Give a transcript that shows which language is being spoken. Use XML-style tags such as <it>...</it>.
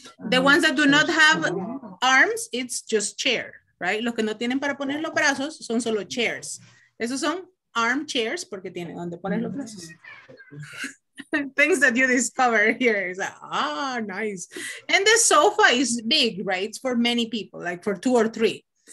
<en>The ones that do not have arms, it's just chair, right?</en> <es>Los que no tienen para poner los brazos son solo chairs. Esos son armchairs porque tienen donde poner los brazos.</es> <en>Things that you discover here is like, nice. And the sofa is big, right? It's for many people, like for two or three.</en>